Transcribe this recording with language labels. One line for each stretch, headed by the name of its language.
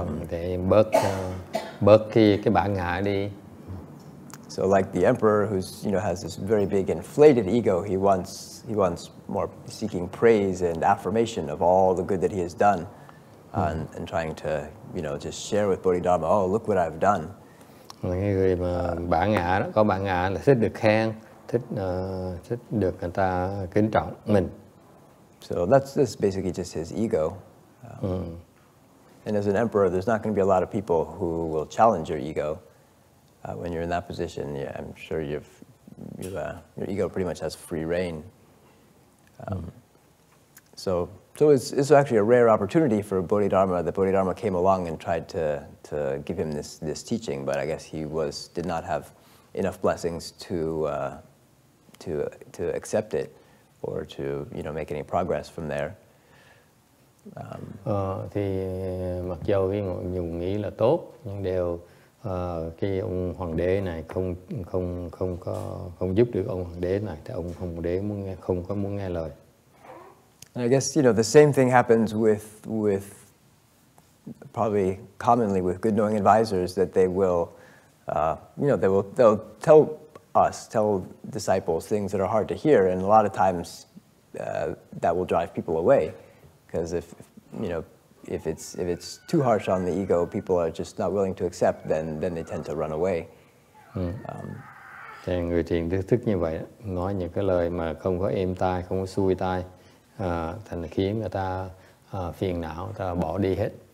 Vietnamese: Để bớt cái bản ngã đi.
English: So like the emperor, who's, you know, has this very big inflated ego, he wants more seeking praise and affirmation of all the good that he has done, and trying to, you know, just share with Bodhidharma, oh, look what I've done.
Vietnamese: Người mà bản ngã đó, có bản ngã là thích được khen, thích được người ta kính trọng mình.
English: So that's basically just his ego. And as an emperor, there's not going to be a lot of people who will challenge your ego. When you're in that position, yeah, I'm sure your ego pretty much has free rein. So it's actually a rare opportunity for Bodhidharma, that Bodhidharma came along and tried to give him this teaching, but I guess he did not have enough blessings to accept it, or to, you know, make any progress from there.
Vietnamese: Thì mặc dù cái nhiều nghĩ là tốt, nhưng đều cái ông hoàng đế này không giúp được ông hoàng đế này, thì ông hoàng đế không có muốn nghe lời.
English: And I guess, you know, the same thing happens with probably commonly with good knowing advisors, that they will they'll tell us, tell disciples things that are hard to hear, and a lot of times that will drive people away, because if it's too harsh on the ego, people are just not willing to accept, then they tend to run away.
Vietnamese: Thì người thiện thức như vậy, nói những cái lời mà không có êm tai, không có xuôi tai, thành khiến người ta phiền não, ta bỏ đi hết.